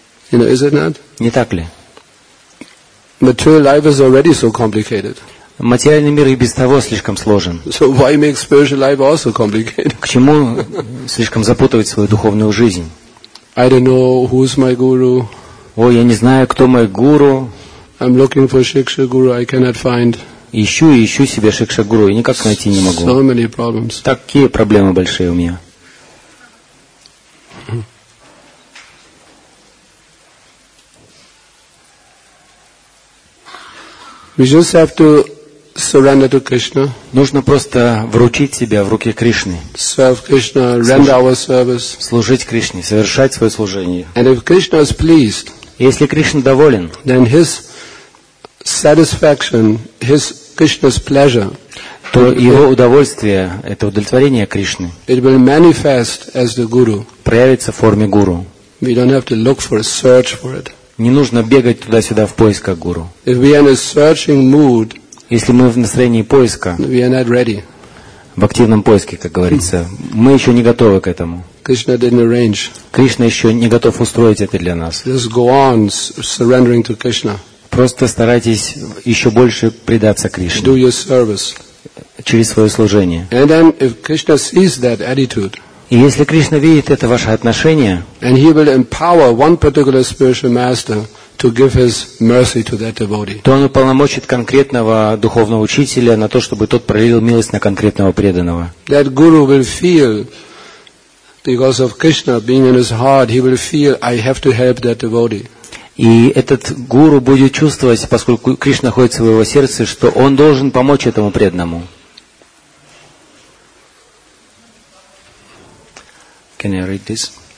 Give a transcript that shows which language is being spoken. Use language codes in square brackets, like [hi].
[en] You know, is it not? [ru] Не так ли? [en] Material life is already so complicated. [ru] Материальный мир и без того слишком сложен. [en] So why make spiritual life also complicated? [ru] К чему слишком запутывать свою духовную жизнь? [en] I don't know who's my guru. [ru] Ой, я не знаю, кто мой гуру. [en] I'm looking for shiksha guru, I cannot find. [ru] Ищу и ищу себе шиксха гуру, и никак найти не могу. [en] So many problems. [ru] Такие проблемы большие у меня. [en] We just have to surrender to Krishna. [ru] Нужно просто вручить себя в руки Кришны. [en] Serve Krishna, render our service. [ru] Служить Кришне, совершать свое служение. [en] And if Krishna is pleased, [ru] если Кришна доволен, [en] then his satisfaction, his Krishna's pleasure, [ru] то его удовольствие, это удовлетворение Кришны, [en] it will manifest as the guru. [ru] Проявится в форме гуру. [en] We don't have to look for, search for it. [ru] Не нужно бегать туда-сюда в поисках гуру. [en] If we are in a searching mood, [ru] если мы в настроении поиска, [en] we are not ready. [ru] В активном поиске, как говорится, мы еще не готовы к этому. [en] Krishna didn't arrange. [ru] Кришна еще не готов устроить это для нас. [en] Just go on surrendering to Krishna. [ru] Просто старайтесь еще больше предаться Кришне. [en] Do your service. [ru] Через свое служение. [en] And then if Krishna sees that attitude, [ru] и если Кришна видит это ваше отношение, [en] and he will empower one particular spiritual master to give his mercy to that devotee, [ru] то он уполномочит конкретного духовного учителя на то, чтобы тот пролил милость на конкретного преданного. [en] That guru will feel, because of Krishna being in his heart, he will feel, I have to help that devotee. [ru] И этот гуру будет чувствовать, поскольку Кришна находится в его сердце, что он должен помочь этому преданному. [en] Can I read this?